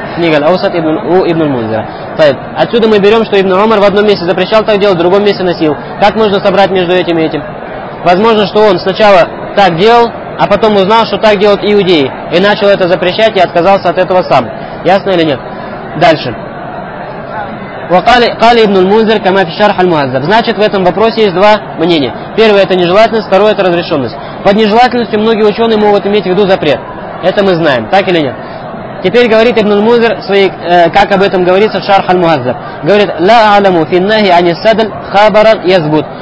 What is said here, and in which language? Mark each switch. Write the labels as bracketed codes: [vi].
[ru] Книга Аль-Аусат у Ибн Аль-Мунзира. Отсюда мы берем, что Ибн Умар в одном месте запрещал так делать, в другом месте носил. Как можно собрать между этим и этим? Возможно, что он сначала так делал, а потом узнал, что так делают иудеи. И начал это запрещать и отказался от этого сам. Ясно или нет? Дальше. [ar] وقال ابن المنذر كما في شرح المعذب. [ru] Значит, в этом вопросе есть два мнения. Первое – это нежелательность, второе – это разрешенность. Под нежелательностью многие ученые могут иметь в виду запрет. Это мы знаем, так или нет? Теперь говорит ибн Музир, как об этом говорится в Шарх аль-Муаззаб. Говорит, [ar] «Ла аляму финнахи ани садль хабаран язбут».